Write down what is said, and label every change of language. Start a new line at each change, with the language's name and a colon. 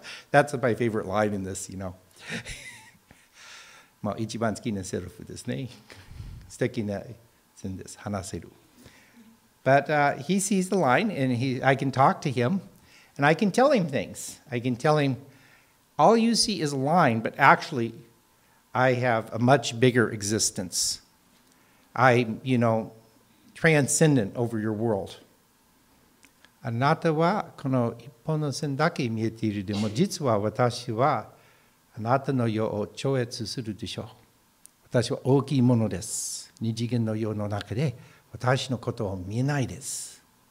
English: That's my favorite line in this, you know.
Japanese: まあ一番好きなセリフですね。素敵な線です。話せる。
English: But he sees the line and I can talk to him and I can tell him things. I can tell him, all you see is a line, but actually I have a much bigger existence. I, you know,transcendent over your world.
Japanese: あなたはこの一本の線だけ見えているでも実は私はあなたの世を超越するでしょう。私は大きいものです。二次元の世の中で私のことを見えないです。